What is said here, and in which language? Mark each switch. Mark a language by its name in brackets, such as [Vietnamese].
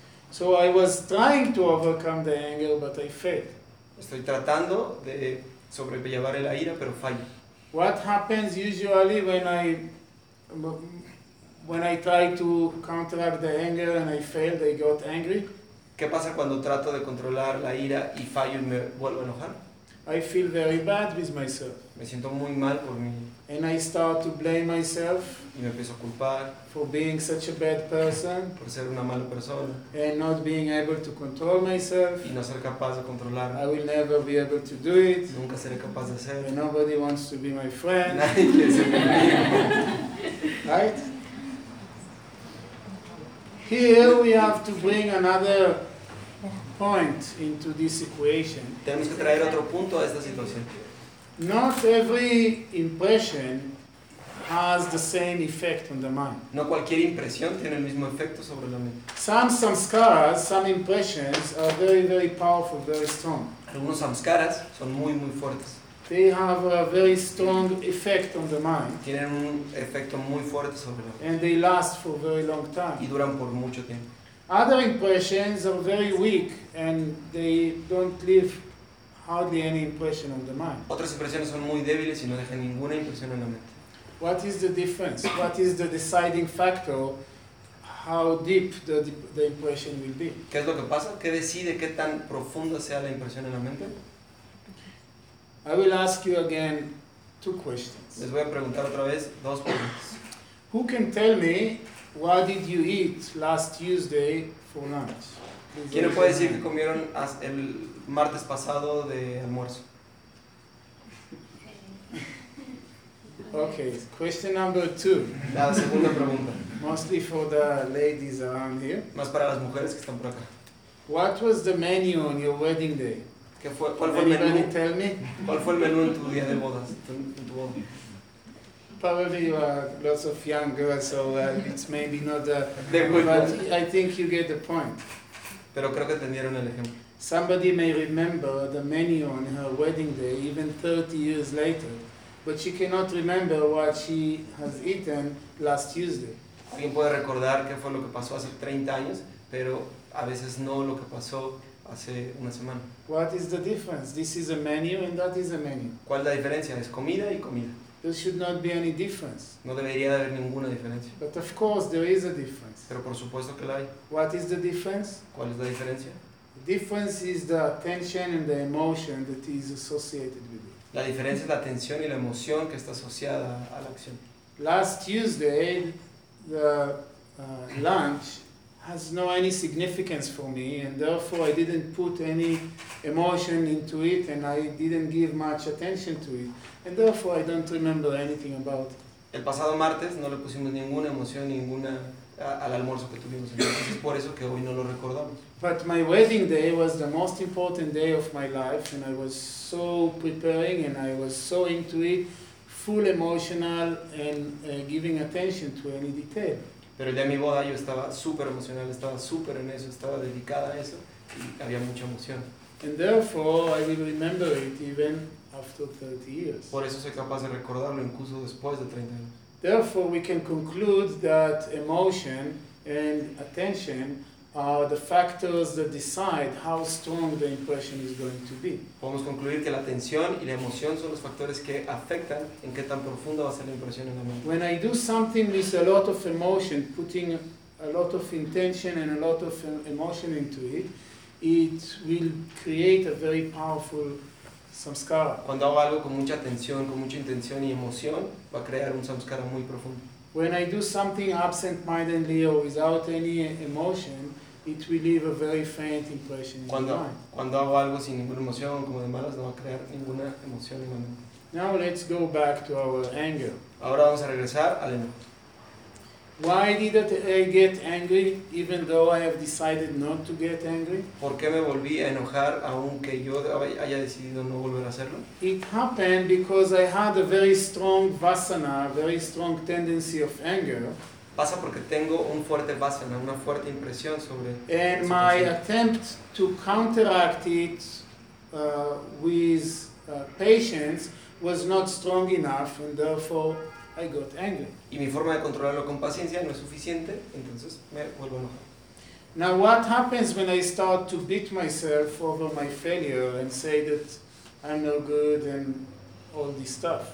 [English] So I was trying to overcome the anger, but I failed. [Spanish] Estoy tratando de sobrellevar la ira, pero fallo. [English] What happens usually when I try to counteract the anger and I fail, they got angry? [Spanish] ¿Qué pasa cuando trato de controlar la ira y fallo y me vuelvo a enojar? [English] I feel very bad with myself. [Spanish] Me siento muy mal por mí. [English] And I start to blame myself. [Spanish] Y me empiezo a culpar. [English] For being such a bad person. [Spanish] Por ser una mala persona. [English] And not being able to control myself. [Spanish] Y no ser capaz de controlarme. [English] I will never be able to do it. [Spanish] Nunca seré capaz de hacerlo. [English] And nobody wants to be my friend. [Spanish] Nadie quiere ser mi amigo. [English] Right? Here we have to bring another point into this equation. [Spanish] Tenemos que traer otro punto a esta situación. [English] Not every impression has the same effect on the mind. [Spanish] No cualquier impresión tiene el mismo efecto sobre la mente. [English] Some samskaras, some impressions are very, very powerful, very strong. [Spanish] Algunos samskaras son muy, muy fuertes. [English] they have a very strong effect on the mind. [Spanish] Tienen un efecto muy fuerte sobre la mente. [English] And they last for a very long time. [Spanish] Y duran por mucho tiempo. [English] Other impressions are very weak and they don't leave hardly any impression on the mind. [Spanish] Otras impresiones son muy débiles y no dejan ninguna impresión en la mente. [English] What is the difference? What is the deciding factor? How deep the impression will be? [Spanish] ¿Qué es lo que pasa? ¿Qué decide qué tan profunda sea la impresión en la mente? [English] I will ask you again two questions. [Spanish] Les voy a preguntar otra vez dos preguntas. [English] Who can tell me what did you eat last Tuesday for lunch? [Spanish] ¿Quién me puede decir qué comieron el martes pasado de almuerzo? [English] Okay, question number two. [Spanish] La segunda pregunta. [English] Mostly for the ladies around here. [Spanish] Más para las mujeres que están por acá. [English] What was the menu on your wedding day? [Spanish] ¿Qué fue, cuál fue [English] anybody [Spanish] el menú? [English] Tell me? [Spanish] ¿Cuál fue el menú en tu día de bodas? En tu boda. [English] Probably you are lots of young girls, so it's maybe not the... But I think you get the point. [Spanish] Pero creo que entendieron el ejemplo. [English] Somebody may remember the menu on her wedding day, even 30 years later. But she cannot remember what she has eaten last Tuesday. [Spanish] ¿Quién puede recordar qué fue lo que pasó hace 30 años, pero a veces no lo que pasó hace una semana? [English] What is the difference? This is a menu and that is a menu. [Spanish] ¿Cuál es la diferencia? Es comida y comida. [English] There should not be any difference. [Spanish] No debería haber ninguna diferencia. [English] But of course there is a difference. [Spanish] Pero por supuesto que la hay. [English] What is the difference? [Spanish] ¿Cuál es la diferencia? [English] The difference is the attention and the emotion that is associated with it. [Spanish] La diferencia es la tensión y la emoción que está asociada a la acción. [English] Last Tuesday, the lunch has no any significance for me, and therefore I didn't put any emotion into it, and I didn't give much attention to it, and therefore I don't remember anything about it. [Spanish] El pasado martes no le pusimos ninguna emoción, ninguna al almuerzo que tuvimos. Entonces es por eso que hoy no lo recordamos. [English] But my wedding day was the most important day of my life, and I was so preparing, and I was so into it, full emotional, and giving attention to any detail. [Spanish] Pero el día de mi boda yo estaba súper emocional, estaba súper en eso, estaba dedicada a eso, y había mucha emoción. [English] And therefore, I will remember it even after 30 years. [Spanish] Por eso soy capaz de recordarlo incluso después de 30 años. [English] Therefore, we can conclude that emotion and attention are the factors that decide how strong the impression is going to be. [Spanish] Podemos concluir que la atención y la emoción son los factores que afectan en qué tan profunda va a ser la impresión en la mente. [English] When I do something with a lot of emotion, putting a lot of intention and a lot of emotion into it, it will create a very powerful samskara. [Spanish] Cuando hago algo con mucha atención, con mucha intención y emoción, va a crear un samskara muy profundo. [English] When I do something absent-mindedly or without any emotion, it will leave a very faint impression in [Spanish] cuando, [English] my mind. [Spanish] Cuando hago algo sin ninguna emoción, como de malas, no va a crear ninguna emoción en mi mente. [English] Now let's go back to our anger. [Spanish] Ahora vamos a regresar al enojo. [English] Why did I get angry, even though I have decided not to get angry? [Spanish] ¿Por qué me volví a enojar, aunque yo haya decidido no volver a hacerlo? [English] It happened because I had a very strong vasana, a very strong tendency of anger. [Spanish] Pasa porque tengo un fuerte vasana, una fuerte impresión sobre. [English] And my attempt to counteract it with patience was not strong enough, and therefore I got angry. [Spanish] Y mi forma de controlarlo con paciencia no es suficiente, entonces me vuelvo enojado. [English] Now what happens when I start to beat myself over my failure and say that I'm no good and all this stuff?